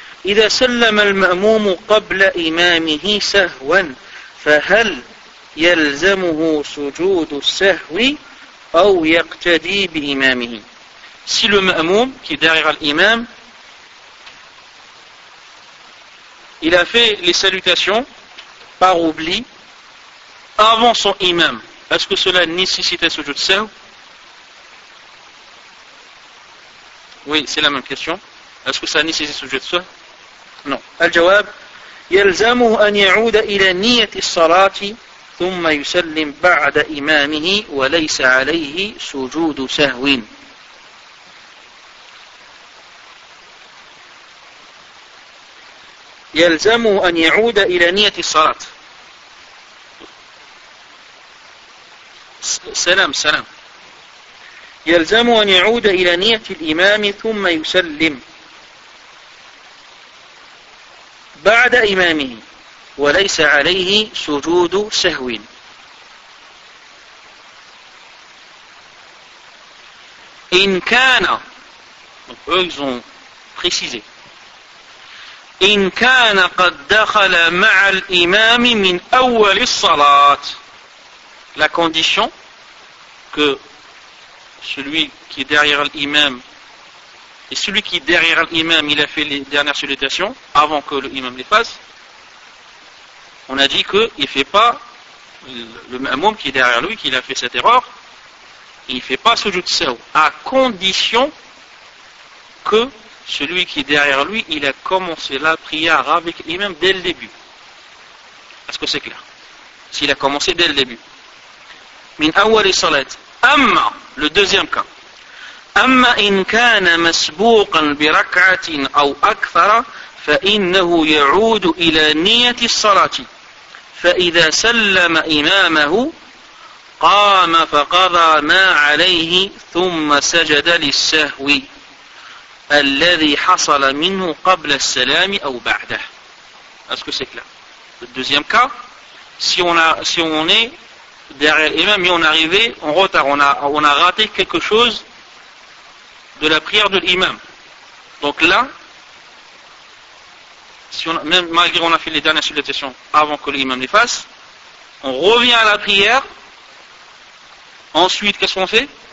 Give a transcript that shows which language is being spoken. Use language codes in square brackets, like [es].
[ar] إذا سلم المأموم قبل إمامه سهوا فهل يلزمه سجود السهو أو يقتدي بإمامه. [fr] Si le ma'moum, qui est derrière l'imam, il a fait les salutations par oubli avant son imam, est-ce que cela nécessitait sujud sahw? Oui, c'est la même question. Est-ce que ça nécessite sujud sahw? Non. [ar] Al-jawab, يلزمه أن يعود إلى نية الصلاة ثم يسلم بعد إمامه وليس عليه سجود سهو. يلزمه أن يعود إلى نية الصلاة. سلام سلام. يلزمه أن يعود إلى نية الإمام ثم يسلم بعد إمامه وليس عليه سجود سهو. إن كان أكزون بريسيزي. إن كان قد دخل مع الإمام من أول الصلاة. [fr] La condition que celui qui est derrière l'imam et celui qui est derrière l'imam il a fait les dernières salutations avant que l'imam les fasse, on a dit qu'il ne fait pas le imam qui est derrière lui, qu'il a fait cette erreur, il ne fait pas ce sujud sahw à condition que celui qui est derrière lui il a commencé la prière avec l'imam dès le début. Est-ce que c'est clair? S'il a commencé dès le début. [ar] من أول صلاة. [fr] أما le deuxième cas. [ar] أما إن كان مسبوقا بركعة أو أكثر فإنه يعود إلى نية الصلاة فإذا سلم إمامه قام فقضى ما عليه ثم سجد للسهو الذي حصل منه قبل السلام أو بعده. [fr] Est-ce que c'est clair? Le deuxième cas, si on est derrière l'imam, mais on est arrivé en retard, on a raté quelque chose de la prière de l'imam. Donc là, malgré on a fait les dernières salutations avant que l'imam les fasse, on revient à la prière. Ensuite, qu'est-ce qu'on fait?